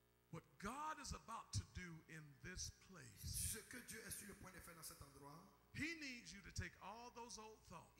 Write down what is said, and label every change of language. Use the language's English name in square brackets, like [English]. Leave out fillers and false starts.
[English] What God is about to do in this place. [French] Ce que Dieu est sur le point de faire dans cet endroit. [English] He needs you to take all those old thoughts.